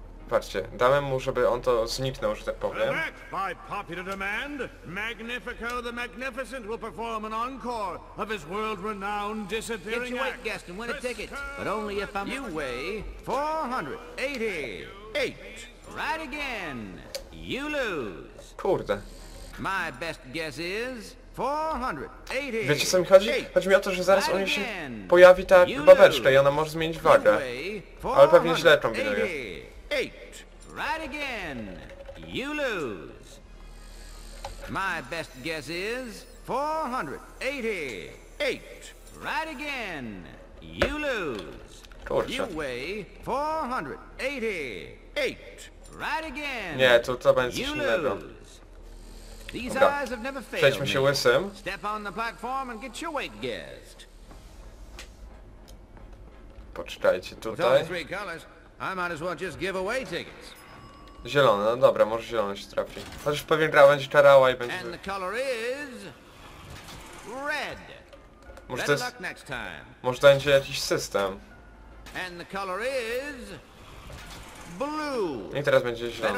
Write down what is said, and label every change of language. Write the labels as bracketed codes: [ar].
[pl] Patrzcie, damy mu, żeby on to zniknął, że tak powiem. [en] Correct, by popular demand, Magnifico the Magnificent will perform an encore of his world-renowned disappearing act. Get your weight, guest, and win a ticket, but only if I'm... You weigh 488. Right again, you lose. [pl] Kurde. [en] My best guess is 488. [pl] Wiecie, co mi chodzi? Chodzi mi o to, że zaraz on się pojawi ta babeczka i ona może zmienić wagę. Ale pewnie źle kombinuje. [en] 8. Right again. You lose. My best guess is 488. Right again. You lose. [pl] Kurczę. [en] You weigh 488. Right again. [pl] Nie, to będzie coś innego. [en] These eyes have never failed. [pl] Przejdźmy się łysym. [en] Step on the platform and get your weight guessed. [pl] Poczekajcie tutaj. [en] I might as well just give away tickets. [pl] Zielone, no dobra, może zielone się trafi. Chociaż pewnie gra będzie czarała i będzie... [en] And the color is... red. [pl] Może to jest... [en] next time. [pl] Może to będzie jakiś system. [en] And the color is... blue. [pl] I teraz będzie zielone.